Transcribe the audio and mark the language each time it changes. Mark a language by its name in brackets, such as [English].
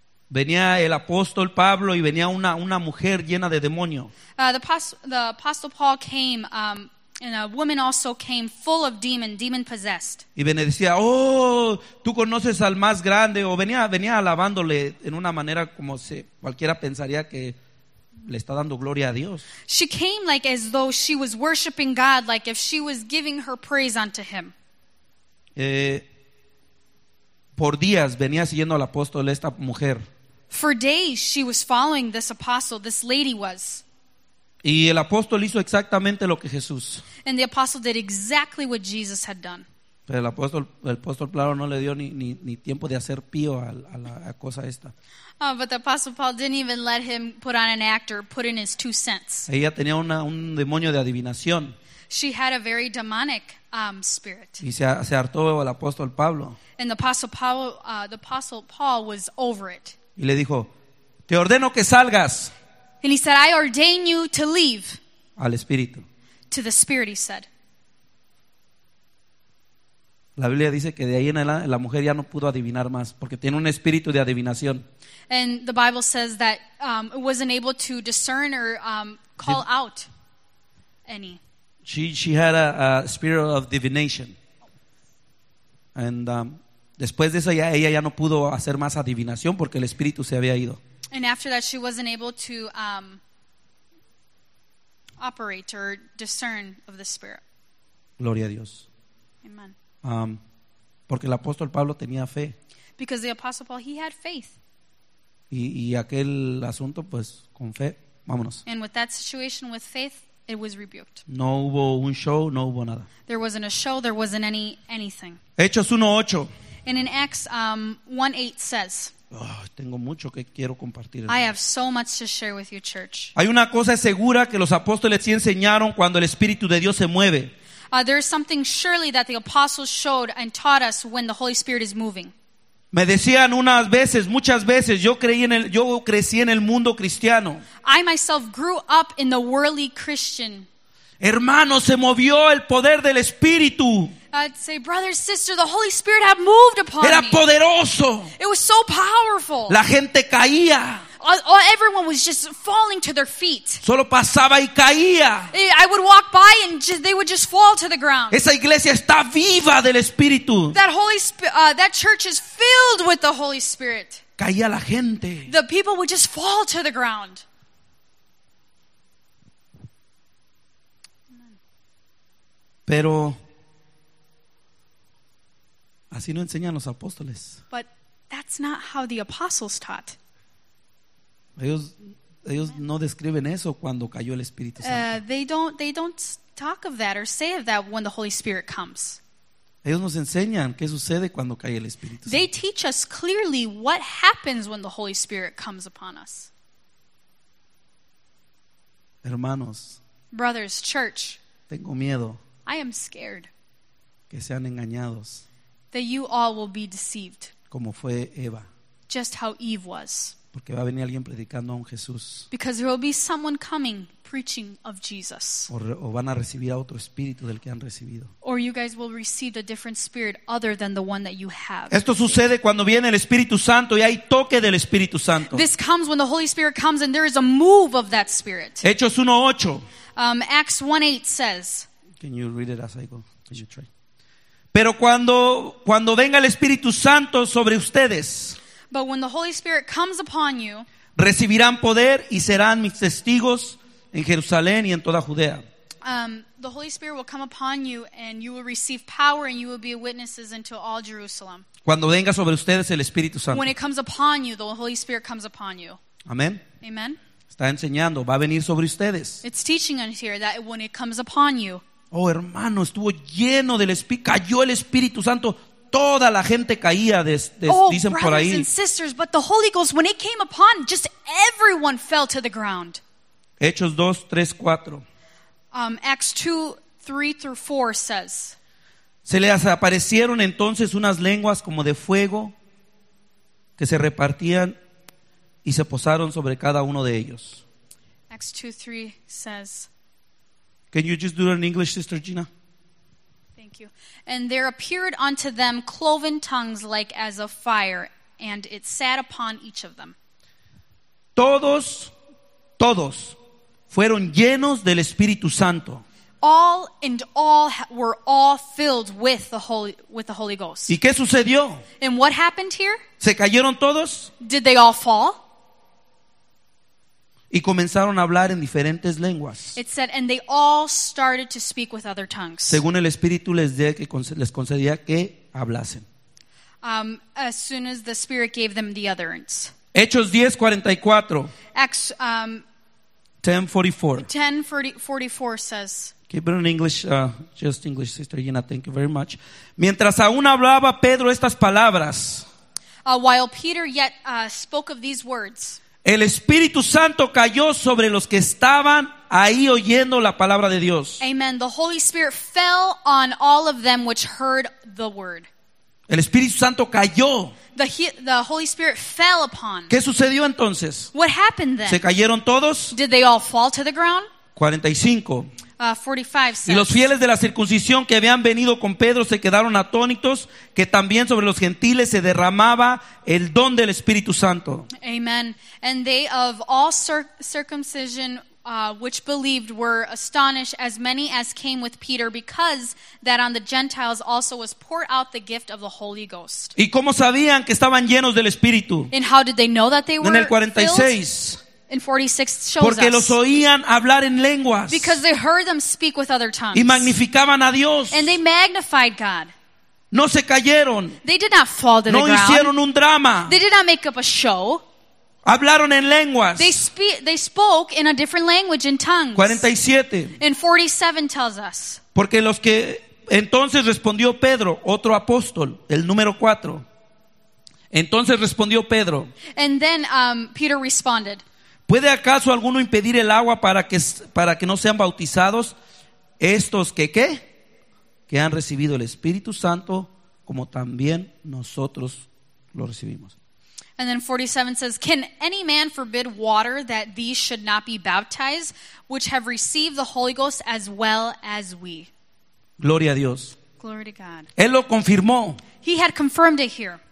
[Spanish] Venía el apóstol Pablo y venía una mujer llena de demonio. [English] The apostle Paul came and a woman also came full of demon possessed. [Spanish] Y venía decía, oh, tú conoces al más grande. O venía alabándole en una manera como si cualquiera pensaría que le está dando gloria a Dios. [English] She came like as though she was worshiping God, like if she was giving her praise unto him. [Spanish] Por días venía siguiendo al apóstol esta mujer. [English] For days she was following this apostle, this lady was. [Spanish] Y el apóstol hizo exactamente lo que Jesús. [English] And the apostle did exactly what Jesus had done. [Spanish] Pero el apóstol claro no le dio ni tiempo de hacer pío a la cosa esta. [English] But the apostle Paul didn't even let him put on an act or put in his two cents. [Spanish] Ella tenía un demonio de adivinación. [English] She had a very demonic spirit. [Spanish] Y se hartó el apóstol Pablo. [English] And the apostle Paul was over it. [Spanish] Y le dijo, te ordeno que salgas. [English] And he said, I ordain you to leave. [Spanish] Al espíritu. [English] To the spirit, he said. [Spanish] La Biblia dice que de ahí en adelante la mujer ya no pudo adivinar más porque tiene un espíritu de adivinación. [English] And the Bible says that it wasn't able to discern or call out any. She had a spirit of divination. [Spanish] And después de eso ella ya no pudo hacer más adivinación porque el espíritu se había ido. [English] And after that she wasn't able to operate or discern of the spirit. [Spanish] Gloria a Dios. [English] Amen. [Spanish] Porque el apóstol Pablo tenía fe. [English] Because the apostle Paul, he had faith. [Spanish] Y aquel asunto pues con fe, vámonos. [English] And with that situation with faith, it was rebuked. [Spanish] No hubo un show, no hubo nada. [English] There wasn't a show, there wasn't anything. [Spanish] Hechos 1:8. [English] And in Acts 1:8 says, [Spanish] tengo mucho que quiero compartir. [English] I have so much to share with you, church. [Spanish] Hay una cosa segura que los apóstoles sí enseñaron cuando el Espíritu de Dios se mueve. [English] There is something surely that the apostles showed and taught us when the Holy Spirit is moving. [Spanish] Me decían unas veces, muchas veces, yo crecí en el mundo cristiano. [English] I myself grew up in the worldly Christian. [Spanish] Hermano, se movió el poder del Espíritu. [English] I'd say, brother, sister, the Holy Spirit had moved upon [Spanish] era [English] me. [Spanish] Era poderoso. [English] It was so powerful. [Spanish] La gente caía. [English] Everyone was just falling to their feet. [Spanish] Solo pasaba y caía. [English] I would walk by and they would just fall to the ground. [Spanish] Esa iglesia está viva del Espíritu. [English] That church is filled with the Holy Spirit. [Spanish] Caía la gente. [English] The people would just fall to the ground. [Spanish] Pero así no enseñan los apóstoles. [English] But that's not how the apostles taught. [Spanish] Ellos no describen eso cuando cayó el Espíritu Santo. [English] They don't talk of that or say of that when the Holy Spirit comes. [Spanish] Ellos nos enseñan qué sucede cuando cae el Espíritu Santo. [English] They teach us clearly what happens when the Holy Spirit comes upon us. [Spanish] Hermanos. [English] Brothers, church. [Spanish] Tengo miedo. [English] I am scared. [Spanish] Que sean engañados. [English] That you all will be deceived. [Spanish] Como fue Eva. [English] Just how Eve was. [Spanish] Porque va a venir alguien predicando a un Jesús. [English] Because there will be someone coming preaching of Jesus. [Spanish] O van a recibir a otro espíritu del que han recibido. [English] Or you guys will receive a different spirit other than the one that you have. [Spanish] Esto sucede cuando viene el Espíritu Santo y hay toque del Espíritu Santo. [English] This comes when the Holy Spirit comes and there is a move of that spirit. [Spanish] Hechos 1:8. [English] Acts 1:8 says. Can you read it as I go? Can you try? [Spanish] Pero cuando venga el Espíritu Santo sobre ustedes, [English] but when the Holy Spirit comes upon you, [Spanish] recibirán poder y serán mis testigos en Jerusalén y en toda Judea. [English] The Holy Spirit will come upon you and you will receive power and you will be witnesses into all Jerusalem. [Spanish] Cuando venga sobre ustedes el Espíritu Santo. [English] When it comes upon you, the Holy Spirit comes upon you. [Spanish] Amén. [English] Amen. [Spanish] Está enseñando, va a venir sobre ustedes. [English] It's teaching us here that when it comes upon you, [Spanish] oh hermano, estuvo lleno del Espíritu, cayó el Espíritu Santo, toda la gente caía, dicen por ahí. [English] Oh, brothers and sisters, but the Holy Ghost, when it came upon, just everyone fell to the ground. [Spanish] Hechos 2, 3, 4. [English] Acts 2, 3 through 4 says, [Spanish] se les aparecieron entonces unas lenguas como de fuego que se repartían y se posaron sobre cada uno de ellos. [English] Acts 2, 3 says, can you just do it in English, Sister Gina? Thank you. And there appeared unto them cloven tongues like as of fire, and it sat upon each of them. [Spanish] Todos fueron llenos del Espíritu Santo. [English] All and all were all filled with the Holy Ghost. [Spanish] ¿Y qué sucedió? [English] And what happened here? [Spanish] ¿Se cayeron todos? [English] Did they all fall? [Spanish] Y comenzaron a hablar en diferentes lenguas. [English] It said, and they all started to speak with other tongues. [Spanish] Según el Espíritu les concedía que hablasen. [English] As soon as the Spirit gave them the utterance. [Spanish] Hechos 10:44. [English] Acts 10:44 says. Keep it in English, just English, Sister Gina. Thank you very much. [Spanish] Mientras aún hablaba Pedro estas palabras. [English] While Peter yet spoke of these words. [Spanish] El Espíritu Santo cayó sobre los que estaban ahí oyendo la palabra de Dios. [English] Amen. The Holy Spirit fell on all of them which heard the word. [Spanish] El Espíritu Santo cayó. [English] The Holy Spirit fell upon. [Spanish] ¿Qué sucedió entonces? [English] What happened then? [Spanish] ¿Se cayeron todos? [English] Did they all fall to the ground? 45. 45 says, [Spanish] y los fieles de la circuncisión que habían venido con Pedro se quedaron atónitos que también sobre los gentiles se derramaba el don del Espíritu Santo. [English] Amen. And they of all circumcision which believed were astonished, as many as came with Peter, because that on the Gentiles also was poured out the gift of the Holy Ghost. [Spanish] ¿Y cómo sabían que estaban llenos del Espíritu? [English] And how did they know that they were [Spanish] en el 46 [English] filled? In 46 shows [Spanish] porque [English] us. [Spanish] Los oían hablar en lenguas. [English] Because they heard them speak with other tongues. [Spanish] Y magnificaban a Dios. [English] And they magnified God. [Spanish] No se cayeron. [English] They did not fall to [Spanish] no [English] the ground. [Spanish] Hicieron un drama. [English] They did not make up a show. [Spanish] Hablaron en lenguas. [English] They spoke in a different language, in tongues. 47. And 47 tells us. [Spanish] Porque los que Entonces respondió Pedro, otro apóstol, el número 4. Entonces respondió Pedro. [English] And then Peter responded. [Spanish] ¿Puede acaso alguno impedir el agua para que no sean bautizados estos que qué? Que han recibido el Espíritu Santo como también nosotros lo recibimos. [English] And then 47 says, can any man forbid water that these should not be baptized, which have received the Holy Ghost as well as we? [Spanish] Gloria a Dios. [English] Glory to God. [Spanish] Él lo confirmó. [English] He had confirmed it here.